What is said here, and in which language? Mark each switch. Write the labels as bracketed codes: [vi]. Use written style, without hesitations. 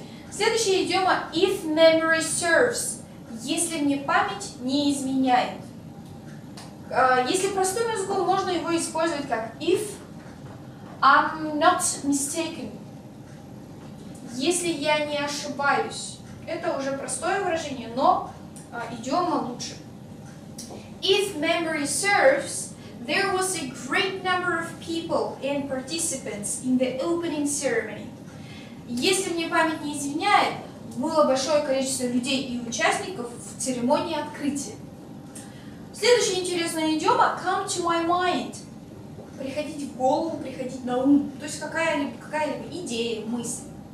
[ru] Следующее идиома if memory serves, если мне память не изменяет. Если простым языком, можно его использовать как if I'm not mistaken. Если я не ошибаюсь, это уже простое выражение, но идиома лучше. [en] If memory serves, there was a great number of people and participants in the opening ceremony. [ru] Если мне память не изменяет, было большое количество людей и участников в церемонии открытия. Следующее интересное идиома – come to my mind. Приходить в голову, приходить на ум. То есть какая-либо идея, мысль.